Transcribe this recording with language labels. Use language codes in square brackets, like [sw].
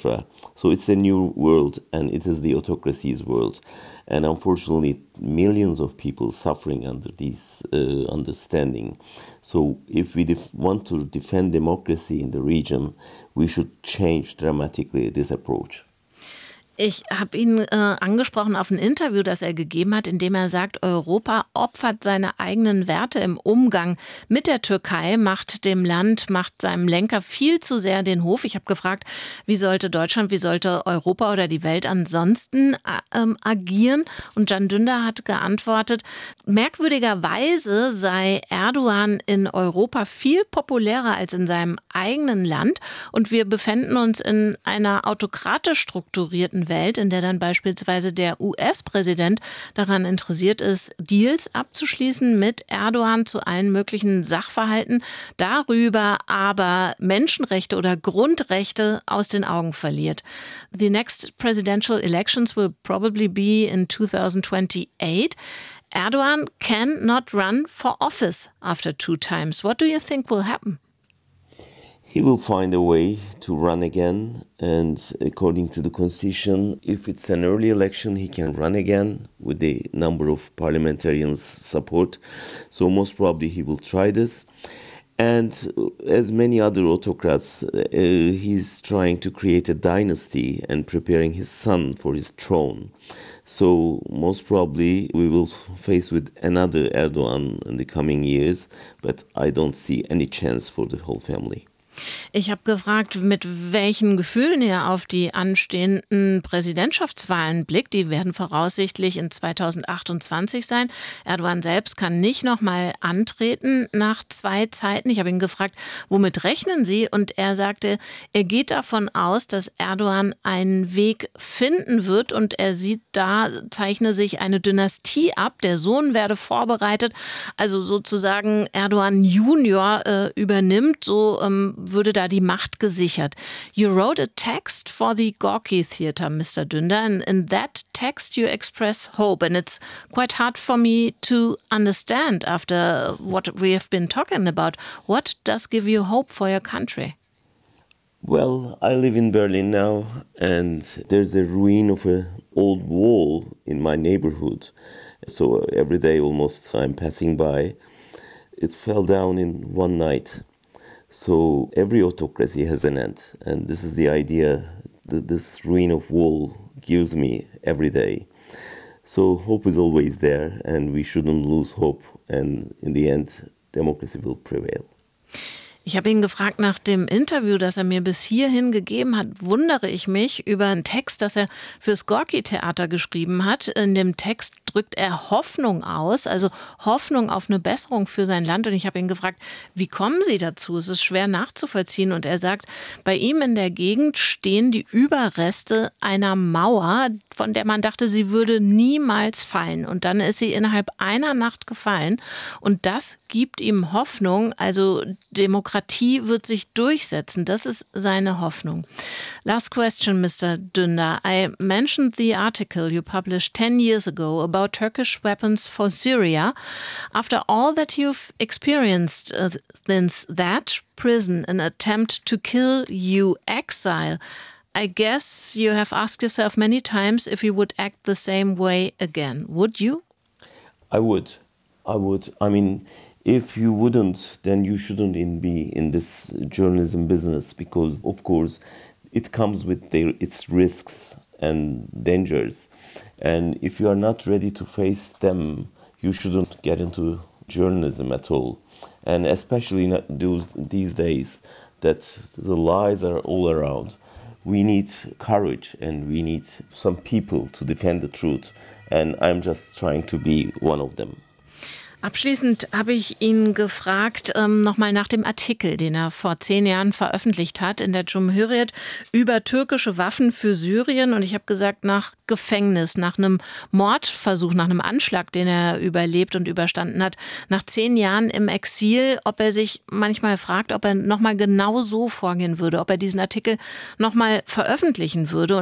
[en] So it's a new world and it is the autocracy's world. And unfortunately, millions of people suffering under this understanding. So if we want to defend democracy in the region, we should change dramatically this approach. [de] Ich habe ihn angesprochen auf ein Interview, das er gegeben hat, in dem er sagt, Europa opfert seine eigenen Werte im Umgang mit der Türkei, macht dem Land, macht seinem Lenker viel zu sehr den Hof. Ich habe gefragt, wie sollte Deutschland, wie sollte Europa oder die Welt ansonsten agieren? Und Jan Dündar hat geantwortet, merkwürdigerweise sei Erdogan in Europa viel populärer als in seinem eigenen Land und wir befänden uns in einer autokratisch strukturierten Welt, in der dann beispielsweise der US-Präsident daran interessiert ist, Deals abzuschließen mit Erdogan zu allen möglichen Sachverhalten, darüber aber Menschenrechte oder Grundrechte aus den Augen verliert. [en] The next presidential elections will probably be in 2028. Erdogan cannot run for office after 2 times. What do you think will happen? He will find a way to run again, and according to the constitution, if it's an early election, he can run again with the number of parliamentarians' support. So most probably he will try this. And as many other autocrats, he's trying to create a dynasty and preparing his son for his throne. So most probably we will face with another Erdogan in the coming years, but I don't see any chance for the whole family. [de] Ich habe gefragt, mit welchen Gefühlen er auf die anstehenden Präsidentschaftswahlen blickt. Die werden voraussichtlich in 2028 sein. Erdogan selbst kann nicht nochmal antreten nach 2 Zeiten. Ich habe ihn gefragt, womit rechnen Sie? Und er sagte, er geht davon aus, dass Erdogan einen Weg finden wird. Und er sieht, da zeichne sich eine Dynastie ab. Der Sohn werde vorbereitet. Also sozusagen Erdogan Junior übernimmt, so würde da die Macht gesichert. [en] You wrote a text for the Gorky Theater, Mr. Dündar, and in that text you express hope. And it's quite hard for me to understand after what we have been talking about. What does give you hope for your country? Well, I live in Berlin now, and there's a ruin of an old wall in my neighborhood. So every day almost I'm passing by. It fell down in one night. So every autocracy has an end, and this is the idea that this ruin of wall gives me every day. So hope is always there, and we shouldn't lose hope, and in the end, democracy will prevail. [de] Ich habe ihn gefragt nach dem Interview, das er mir bis hierhin gegeben hat, wundere ich mich über einen Text, das er fürs Gorki-Theater geschrieben hat. In dem Text drückt er Hoffnung aus, also Hoffnung auf eine Besserung für sein Land. Und ich habe ihn gefragt, wie kommen Sie dazu? Es ist schwer nachzuvollziehen. Und er sagt, bei ihm in der Gegend stehen die Überreste einer Mauer, von der man dachte, sie würde niemals fallen. Und dann ist sie innerhalb einer Nacht gefallen. Und das gibt ihm Hoffnung, also Demokratie wird sich durchsetzen. Das ist seine Hoffnung. [en] Last question, Mr. Dündar. I mentioned the article you published 10 years ago about Turkish weapons for Syria. After all that you've experienced since that prison, an attempt to kill you, exile, I guess you have asked yourself many times if you would act the same way again. Would you? I would. I mean, if you wouldn't, then you shouldn't be in this journalism business, because, of course, it comes with its risks and dangers. And if you are not ready to face them, you shouldn't get into journalism at all. And especially not these days that the lies are all around. We need courage and we need some people to defend the truth. And I'm just trying to be one of them. [de] Abschließend habe ich ihn gefragt, nochmal nach dem Artikel, den er vor 10 Jahren veröffentlicht hat in der Cumhuriyet über türkische Waffen für Syrien. Und ich habe gesagt, nach Gefängnis, nach einem Mordversuch, nach einem Anschlag, den er überlebt und überstanden hat, nach 10 Jahren im Exil, ob er sich manchmal fragt, ob er nochmal genau so vorgehen würde, ob er diesen Artikel nochmal veröffentlichen würde.